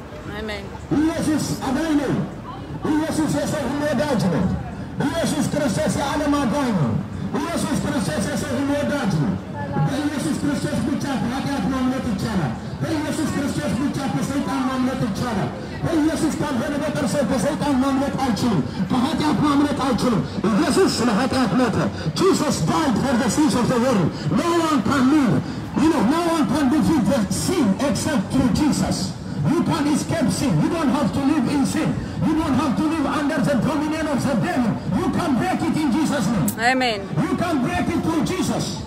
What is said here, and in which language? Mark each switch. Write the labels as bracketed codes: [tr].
[en] Amen. Yes, it's available. Jesus is a new judgment. Jesus Christ is an amagoyno. Jesus Christ is a new judgment. Jesus Christ is the chapter of the new judgment. Jesus Christ is the chapter of the new judgment. [am] ኢየሱስ ካልበረከተ ሰይጣን ማምለጥ አይችልም። ከኃጢአት ማምለጥ አይችልም። ኢየሱስ ስለ ኃጢአት ሞተ። [en] Jesus died for the sins of the world. No one can live. No one can defeat the sin except through Jesus. You can escape sin. You don't have to live in sin. You don't have to live under the dominion of the devil. You can break it in Jesus' name. Amen. You can break it through Jesus.